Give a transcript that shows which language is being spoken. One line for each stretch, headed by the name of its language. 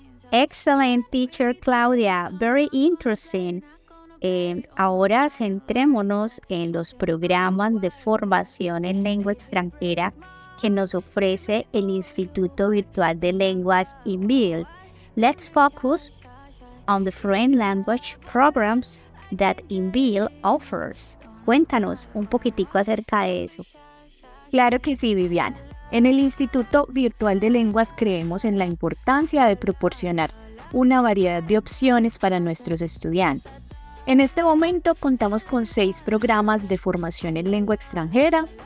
English: Excellent, teacher Claudia. Very interesting.
Spanish: Ahora centrémonos en los programas de formación en lengua extranjera que nos ofrece el Instituto Virtual de Lenguas INVIL.
English: Let's focus on the foreign language programs that INVIL offers.
Spanish: Cuéntanos un poquitico acerca de eso. Claro que sí, Viviana. En el Instituto Virtual de Lenguas creemos en la importancia de proporcionar una variedad de opciones para nuestros estudiantes. En este momento contamos con 6 programas de formación en lengua extranjera.